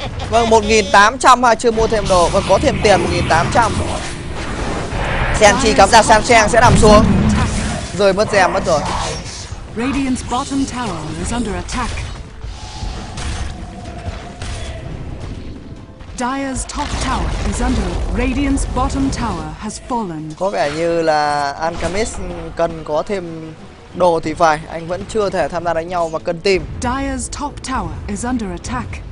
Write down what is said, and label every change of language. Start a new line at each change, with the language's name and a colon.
Vietnamese: Vâng, 1800 ha, chưa mua thêm đồ. Vâng, có thêm tiền 1800. Xem chi cắm ra San Cheng sẽ nằm xuống. Rồi mất rèm mất rồi.
English: Radiant's bottom tower is under attack. Dire's top tower is under. Radiant's bottom tower has fallen.
Vietnamese: Có vẻ như là Alchemist cần có thêm đồ thì phải, anh vẫn chưa thể tham gia đánh nhau và cần tìm.
English: Dire's top tower is under attack.